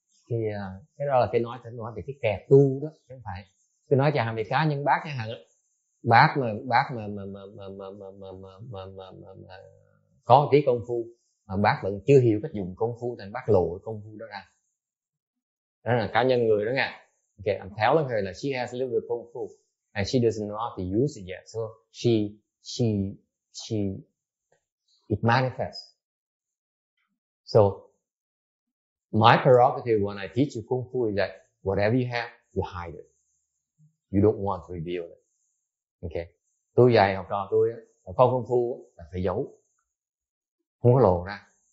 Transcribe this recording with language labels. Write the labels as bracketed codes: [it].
[vi] Thì cái đó là cái nói về cái kẹt tu đó, không phải tôi nói chẳng hạn về cá nhân bác chẳng hạn, bác mà có một tí công phu mà bác vẫn chưa hiểu cách dùng công phu thì bác lộ công phu đó ra, đó là cá nhân người đó nha. [en] Okay, I'm telling her that she has a little bit of kung fu and she doesn't know how to use it yet, so she it manifests. So my prerogative when I teach you Kung Fu is that whatever you have, you hide it. You don't want to reveal it. Okay. [vi] Tôi dạy học trò tôi á, con Kung Fu là phải giấu. Không có lộ ra.